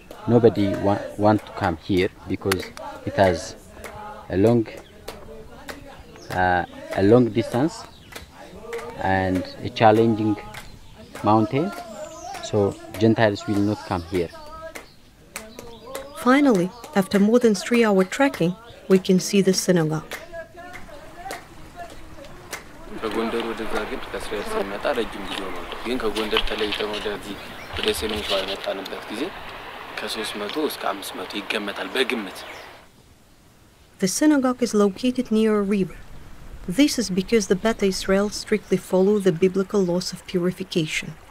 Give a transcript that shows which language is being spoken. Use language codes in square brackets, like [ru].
[en] nobody want to come here because it has a long distance and a challenging mountain, so Gentiles will not come here. Finally, after more than 3 hour trekking, we can see the synagogue. [am] ከጎንደር ወደዛ ግን ከስራ ስመጣ ረጅም ጉዞ ነው። ግን ከጎንደር ተለይተን ወደዚህ ወደ ሰሜን ሸዋ የመጣንበት ጊዜ ከ300 እስከ 500 ይገመታል በግምት። [en] The synagogue is located near a river. This is because the Beta Israel strictly follow the biblical laws of purification.